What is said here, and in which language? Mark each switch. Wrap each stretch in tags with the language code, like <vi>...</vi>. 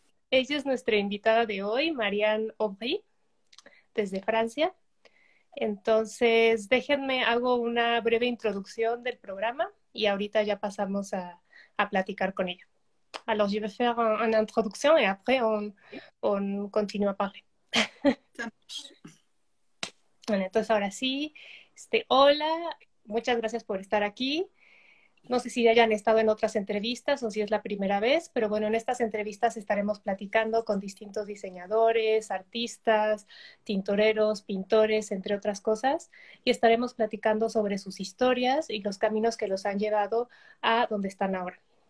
<es>Ella es nuestra invitada de hoy, Marianne Aubry, desde Francia. Entonces, déjenme hago una breve introducción del programa y ahorita ya pasamos a platicar con ella.</es> <fr>Alors, je vais faire une introduction et après on continue à parler.</fr> <es>Bueno, entonces ahora sí, hola, muchas gracias por estar aquí. No sé si ya hayan estado en otras entrevistas o si es la primera vez, pero bueno, en estas entrevistas estaremos platicando con distintos diseñadores, artistas, tintoreros, pintores, entre otras cosas, y estaremos platicando sobre sus historias y los caminos que los han llevado a donde están ahora.</es>